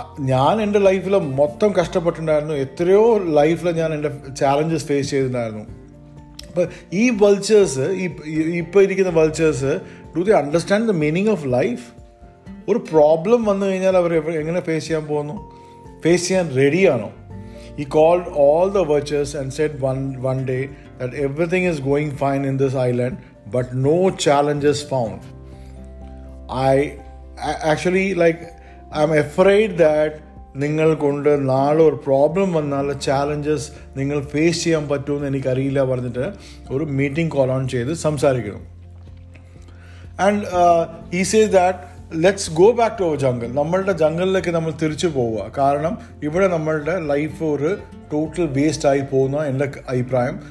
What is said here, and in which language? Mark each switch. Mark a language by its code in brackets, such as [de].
[ml] ഞാൻ എൻ്റെ ലൈഫിൽ മൊത്തം കഷ്ടപ്പെട്ടിട്ടുണ്ടായിരുന്നു, എത്രയോ ലൈഫിൽ ഞാൻ എൻ്റെ ചാലഞ്ചസ് ഫേസ് ചെയ്തിട്ടുണ്ടായിരുന്നു. അപ്പോൾ ഈ വൾച്ചേഴ്സ്, ഈ ഇപ്പോൾ ഇരിക്കുന്ന vultures, do they understand the meaning of life? ഒരു പ്രോബ്ലം വന്നു കഴിഞ്ഞാൽ അവർ എങ്ങനെ ഫേസ് ചെയ്യാൻ പോകുന്നു? ഫേസ് ചെയ്യാൻ റെഡിയാണോ? [en] He called all the vultures and said one day that everything is going fine in this island, but no challenges found. I'm afraid that [ml] നിങ്ങൾ കൊണ്ട് നാളെ ഒരു പ്രോബ്ലം വന്നാൽ ചാലഞ്ചസ് നിങ്ങൾ ഫേസ് ചെയ്യാൻ പറ്റുമെന്ന് എനിക്കറിയില്ല പറഞ്ഞിട്ട് ഒരു മീറ്റിംഗ് കോൾ ഓൺ ചെയ്ത് സംസാരിക്കണം. ആൻഡ് ഈ says that let's go back to our jungle, നമ്മളുടെ ജംഗിളിലേക്ക് നമ്മൾ തിരിച്ചു പോവുക, കാരണം ഇവിടെ നമ്മളുടെ ലൈഫ് ഒരു ടോട്ടൽ വേസ്റ്റ് ആയി പോകുന്ന എൻ്റെ അഭിപ്രായം.